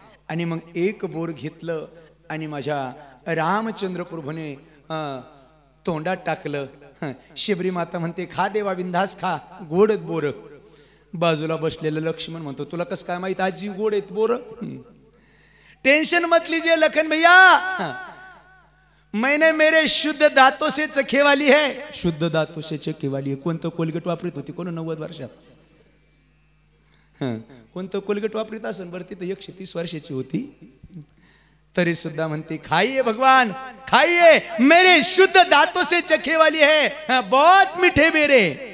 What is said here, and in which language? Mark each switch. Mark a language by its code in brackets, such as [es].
[mr] आणि मग एक बोर घेतलं आणि माझ्या रामचंद्र प्रभूने तोंडात टाकलं। शिबरी माता म्हणते खा देवा बिंदास खा गोड आहेत बोर। बाजूला बसलेलं लक्ष्मण म्हणतो तुला कस काय माहित आजी गोड आहेत बोर। [hi] टेंशन मत लीजिए लखन भैया, मैंने मेरे शुद्ध दातो से चखे वाली है। शुद्ध दातो से चखे वाली है [mr] कोणतं कोलगेट वापरीत होती कोण 90 वर्षात? कोणतं कोलगेट वापरीत असेल वरती तर 130 वर्षाची होती, तरी सुद्धा म्हणते [hi] खाइए भगवान खाइए मेरे शुद्ध दातो से चखे वाली है बहुत मीठे मेरे।